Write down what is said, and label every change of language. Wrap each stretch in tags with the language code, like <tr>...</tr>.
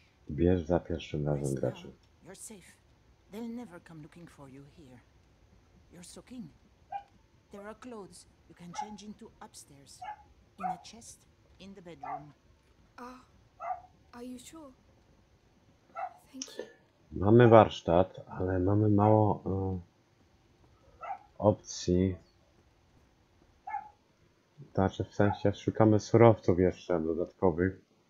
<pl>Bierz za pierwszym razem graczy.</pl> <en>You're safe. They'll never come looking for you here. You're soaking. There are clothes you can change into upstairs. In a chest in the bedroom. Ah. Are you sure? Thank you.</en> <pl>Mamy warsztat, ale mamy mało opcji. Znaczy w sensie szukamy surowców jeszcze dodatkowych.</pl>